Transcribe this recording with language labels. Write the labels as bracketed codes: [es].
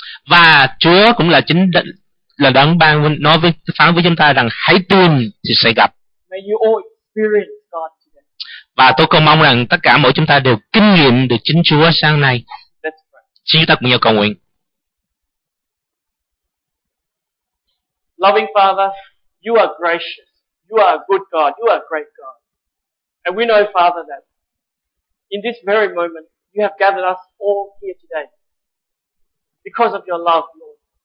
[vi] Và Chúa cũng là chính là đấng ban nói với phán với chúng ta rằng hãy tìm thì sẽ gặp. [en] May you all experience God today. [vi] Và tôi cầu mong rằng tất cả mỗi chúng ta đều kinh nghiệm được chính Chúa sáng nay. Xin tất cả nhiều cầu nguyện. [en] Loving Father, you are gracious. You are a good God. You are a great God. And we know, Father, that in this very moment, you have gathered us all here today because of your love, Lord.